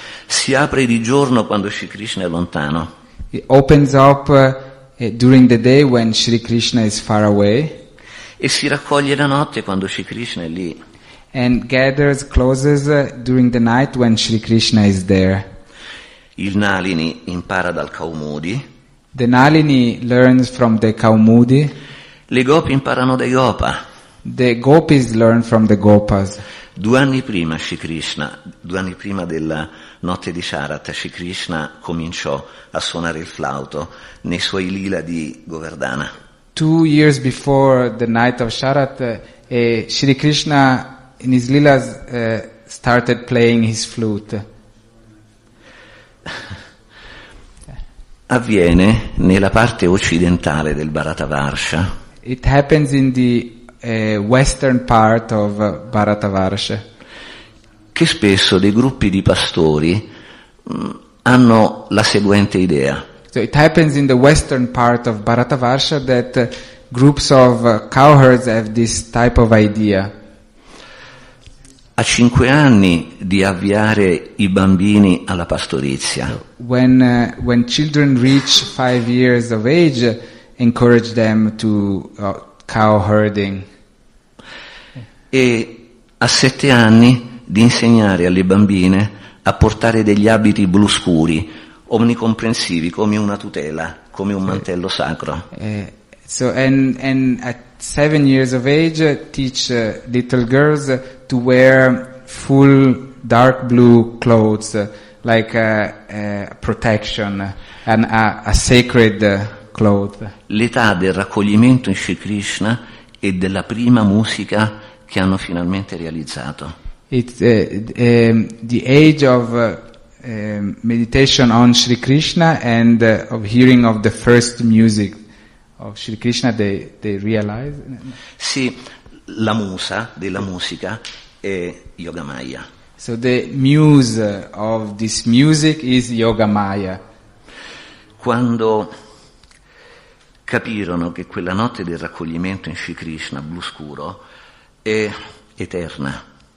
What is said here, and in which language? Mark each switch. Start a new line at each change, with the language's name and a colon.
Italian: Si apre di giorno quando Sri Krishna è lontano.
English: It opens up during the day when Sri Krishna is far away.
Italian: E si raccoglie la notte quando Sri Krishna è lì.
English: And gathers, closes during the night when Sri Krishna is there.
Italian: Il Nalini impara dal Kaumudi.
English: The Nalini learns from the Kaumudi.
Italian: Le gopi imparano dai gopa.
English: The gopis learn from the gopas.
Italian: Due anni prima Shri Krishna, due anni prima della notte di Sharat, Shri Krishna cominciò a suonare il flauto nei suoi lila di Govardhana.
English: 2 years before the night of Sharat, Shri Krishna in his lilas started playing his flute.
Italian: Avviene nella parte occidentale del Bharatavarsha.
English: It happens in the western part of Bharatavarsha.
Italian: Che spesso dei gruppi di pastori hanno la seguente idea.
English: So it happens in the western part of Bharatavarsha that groups of cowherds have this type of idea.
Italian: A 5 anni di avviare i bambini alla pastorizia.
English: When children reach 5 years of age, encourage them to cow herding.
Italian: E a 7 anni di insegnare alle bambine a portare degli abiti blu scuri, omnicomprensivi, come una tutela, come un mantello sacro.
English: So, and at 7 years of age, teach little girls to wear full dark blue clothes, like a protection and a sacred cloth.
Italian: L'età del raccoglimento in Shri Krishna e della prima musica che hanno finalmente realizzato.
English: It's the age of meditation on Shri Krishna and of hearing of the first music of Shri Krishna, they realize.
Italian: Sì, la musa della musica è Yoga Maya.
English: So the muse of this music is Yoga Maya.
Italian: Quando capirono che quella notte del raccoglimento in Shri Krishna blu scuro è eterna.